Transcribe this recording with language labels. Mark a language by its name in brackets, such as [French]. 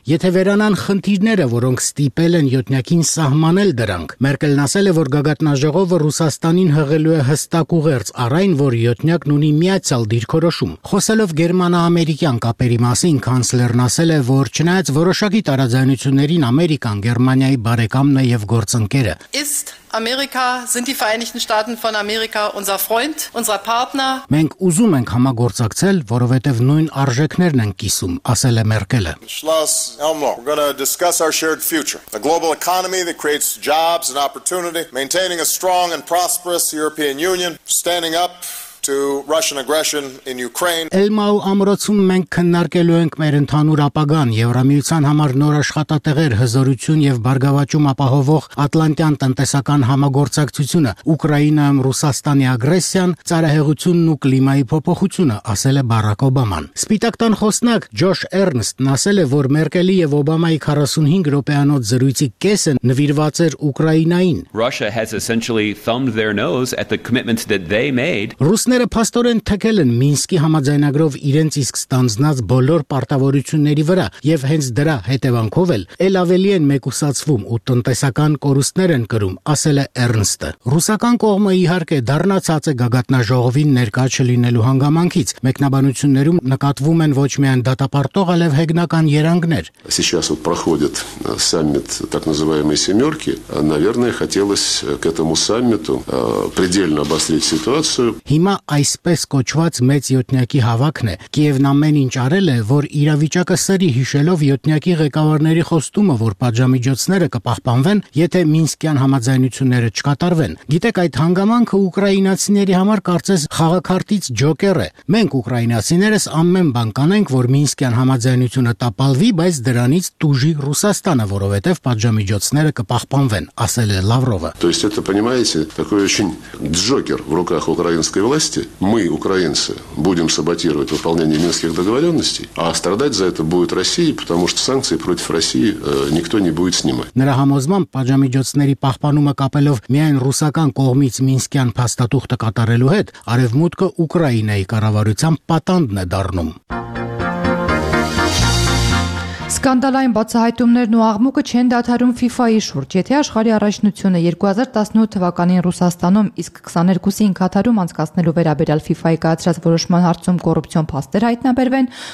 [Armenian] եթե վերանան խնդիրները, որոնք ստիպել են յոթնյակին սահմանել դրանք։ Մերկելն ասել է, որ գագաթնաժողովը Ռուսաստանին հղելու է հստակ ուղերձ, առայն որ յոթնյակն ունի միացյալ դիրքորոշում։ Խոսելով գերմանա-ամերիկյան կապերի մասին, կանցլերն ասել է, որ չնայած որոշակի տարաձայնություններին Ամերիկան Գերմանիայի բարեկամն է եւ գործընկերը։ [German] Amerika sind die Vereinigten Staaten von Amerika unser Freund, unser Partner. [Armenian] Մենք ուզում ենք համագործակցել, որովհետև նույն արժեքներն ենք կիսում, ասել է Մերկելը։ [English] We're going to discuss our shared future, a global economy that creates jobs and opportunity, maintaining a strong and prosperous European Union, standing up to Russian aggression in Ukraine. [Armenian] Էլմաու ամրոցում մենք քննարկելու ենք մեր ընդհանուր ապագան, Եվրամիության համար նոր աշխատատեղեր, հզորություն եւ բարգավաճում ապահովող Ատլանտյան տնտեսական համագործակցությունը, Ուկրաինայում Ռուսաստանի ագրեսիան, ծարահեղությունն ու կլիմայի փոփոխությունը, ասել է Բարակ Օբաման։ Սպիտակտան խոսնակ Ջոշ Էրնստն ասել է, որ Մերկելի եւ Օբամայի 45 րոպեանոց զրույցի կեսը նվիրված էր Ուկրաինային։ [English] Russia has essentially thumbed their nose at the commitments that they made. [Armenian] Ռուսները փաստորեն թքել են Մինսկի համաձայնագրով իրենց իսկ ստանձնած բոլոր պարտավորությունների վրա եւ հենց դրա հետևանքով էլ ավելի են մեկուսացվում ու տնտեսական կորուստներ են կրում, ասել է Էրնստը։ Ռուսական կողմը իհարկե դառնացած է գագաթնաժողովին ներկա չլինելու հանգամանքից, մեկնաբանություններում նկատվում են ոչ միայն դատապարտող, այլև հեգնական երանգներ։ [Russian] Сейчас вот проходит саммит так называемой семёрки, наверное, хотелось к этому саммиту предельно обострить ситуацию. [Armenian] Հիմա այսպես կոչված մեծ յոթնյակի հավաքն է։ Կիևն ամեն ինչ արել է, որ իրավիճակը սրի հիշելով յոթնյակի ղեկավարների խոստումը, որ պատժամիջոցները կպահպանվեն, եթե Մինսկյան համաձայնությունները չկատարվեն։ Գիտեք, այդ հանգամանքը ուկրաինացիների համար կարծես խաղակարտից ջոկեր է։ Մենք ուկրաինացիներս ամեն բան կանենք, որ Մինսկյան համաձայնությունը տապալվի, բայց դրանից տուժի Ռուսաստանը, որովհետև պատժամիջոցները կպահպանվեն, ասել է Լավրովը։ [Russian] То есть это, понимаете, такой очень джокер в руках украинской власти, мы, украинцы, будем саботировать выполнение минских договоренностей, а страдать за это будет Россия, потому что санкции против России никто не будет снимать. [Armenian] Նրա համոզմամբ պատժամիջոցների պահպանումը կապելով միայն ռուսական կողմից Մինսկյան փաստաթուղթը կատարելու հետ, արևմուտքը Ուկրաինայի կառավարության պատանդն է դառնում։ Սկանդալային բացահայտումներն ու աղմուկը չեն դադարում FIFA-ի շուրջ։ Եթե աշխարհի առաջնությունը 2018 թվականին Ռուսաստանում, իսկ 22-ին Կատարում անցկացնելու վերաբերյալ FIFA-ի կայացրած որոշման հարցում կոռուպցիոն փաստեր հայտնաբերվեն,